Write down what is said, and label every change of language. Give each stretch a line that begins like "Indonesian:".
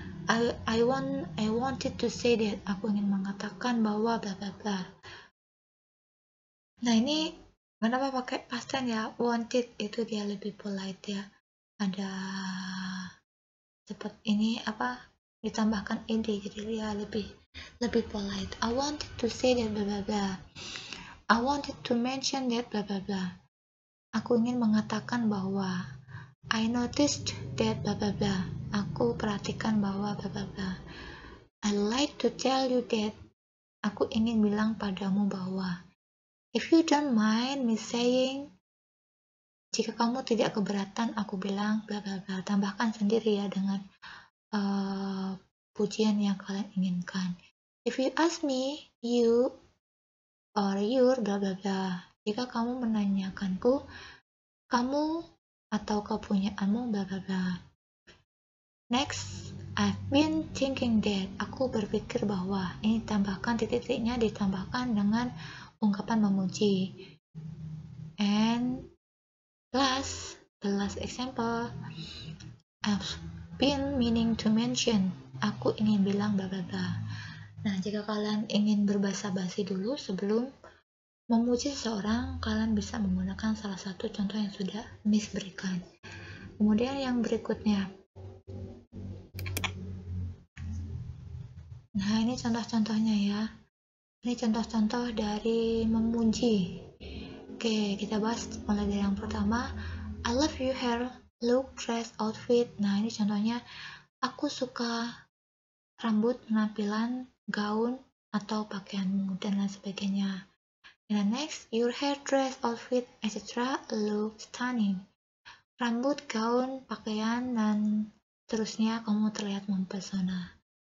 English: I wanted to say that.
Indonesian: Aku ingin mengatakan bahwa bla bla
English: bla.
Indonesian: Nah, ini kenapa pakai past tense ya? Wanted itu dia lebih polite ya. Ada cepat ini apa? Ditambahkan ed, jadi dia lebih polite.
English: I wanted to say that bla bla bla. I wanted to mention that blah blah blah.
Indonesian: Aku ingin mengatakan bahwa
English: I noticed that blah blah blah.
Indonesian: Aku perhatikan bahwa blah blah blah.
English: I like to tell you that.
Indonesian: Aku ingin bilang padamu bahwa
English: if you don't mind me saying,
Indonesian: jika kamu tidak keberatan aku bilang blah blah blah. Tambahkan sendiri ya dengan pujian yang kalian inginkan.
English: If you ask me, you or your, bla bla bla.
Indonesian: Jika kamu menanyakanku, kamu atau kepunyaanmu, bla bla bla.
English: Next, I've been thinking that.
Indonesian: Aku berpikir bahwa. Ini tambahkan titik-titiknya, ditambahkan dengan ungkapan memuji.
English: And last, the last example. I've been meaning to mention.
Indonesian: Aku ingin bilang, bla bla bla. Nah, jika kalian ingin berbahasa basi dulu sebelum memuji seseorang, kalian bisa menggunakan salah satu contoh yang sudah Miss berikan. Kemudian yang berikutnya. Nah, ini contoh-contohnya ya. Ini contoh-contoh dari memuji. Oke, kita bahas mulai dari yang pertama.
English: I love your hair, look, dress, outfit.
Indonesian: Nah, ini contohnya. Aku suka rambut, penampilan, gaun atau pakaianmu dan lain sebagainya.
English: And next, your hair, dress, outfit, etc. look stunning.
Indonesian: Rambut, gaun, pakaian dan terusnya kamu terlihat mempesona.